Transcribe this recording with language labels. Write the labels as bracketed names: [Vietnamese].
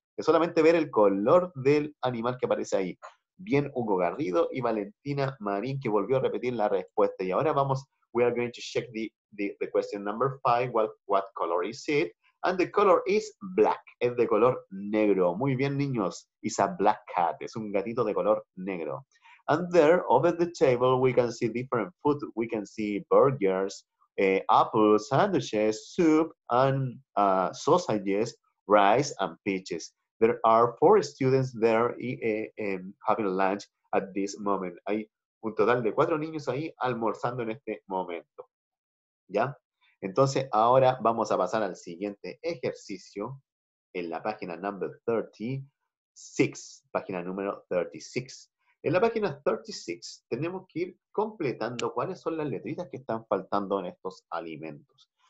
[Spanish] Es solamente ver el color del animal que aparece ahí. Bien, Hugo Garrido y Valentina Marín, que volvió a repetir la respuesta. Y ahora vamos, [English] we are going to check the question number five, what color is it? And the color is black, [Spanish] es de color negro. [English] Muy bien, niños, it's a black cat, [Spanish] es un gatito de color negro. [English] And there, over the table, we can see different food. We can see burgers, apples, sandwiches, soup, and sausages, rice, and peaches. There are four students there having lunch at this moment. [Spanish] Hay un total de cuatro niños ahí almorzando en este momento. ¿Ya? Entonces, ahora vamos a pasar al siguiente ejercicio en la página number 36, página número 36. En la página 36 tenemos que ir completando cuáles son las letritas que están faltando en estos alimentos.